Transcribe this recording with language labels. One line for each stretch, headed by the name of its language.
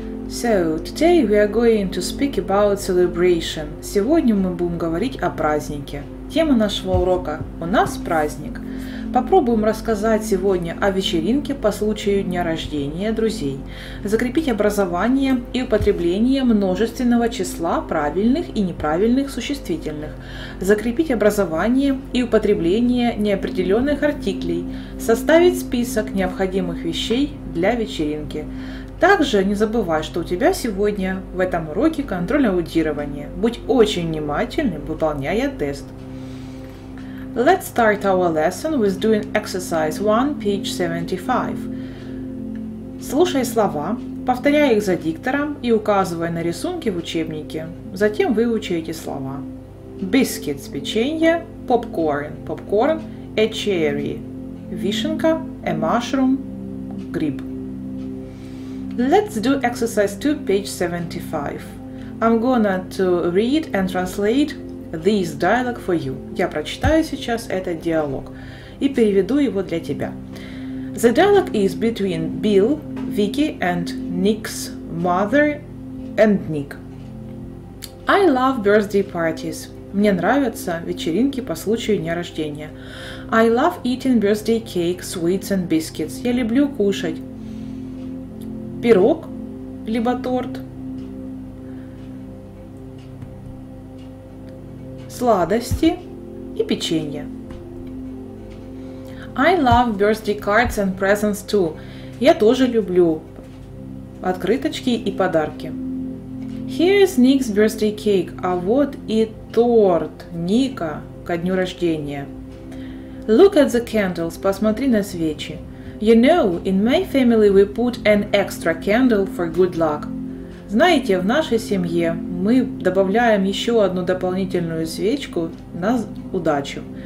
English: So, today we are going to speak about celebration.
Russian: Сегодня мы будем говорить о празднике. Тема нашего урока «У нас праздник». Попробуем рассказать сегодня о вечеринке по случаю дня рождения друзей, закрепить образование и употребление множественного числа правильных и неправильных существительных, закрепить образование и употребление неопределенных артиклей, составить список необходимых вещей для вечеринки. Также не забывай, что у тебя сегодня в этом уроке контроль аудирования. Будь очень внимательным, выполняя тест.
English: Let's start our lesson with doing exercise 1, page 75.
Russian: Слушай слова, повторяй их за диктором и указывай на рисунке в учебнике. Затем выучи эти слова. Biscuits – печенье, popcorn – popcorn, a cherry – вишенка, a mushroom – гриб.
English: Let's do exercise 2, page 75. I'm gonna to read and translate this dialogue for you.
Russian: Я прочитаю сейчас этот диалог и переведу его для тебя.
English: The dialogue is between Bill, Vicky and Nick's mother and Nick. I love birthday parties.
Russian: Мне нравятся вечеринки по случаю дня рождения.
English: I love eating birthday cake, sweets and biscuits.
Russian: Я люблю кушать пирог либо торт, сладости и печенье.
English: I love birthday cards and presents too.
Russian: Я тоже люблю открыточки и подарки.
English: Here is Nick's birthday cake.
Russian: А вот и торт Ника ко дню рождения.
English: Look at the candles.
Russian: Посмотри на свечи.
English: You know, in my family we put an extra candle for good luck.
Russian: Знаете, в нашей семье мы добавляем еще одну дополнительную свечку на удачу.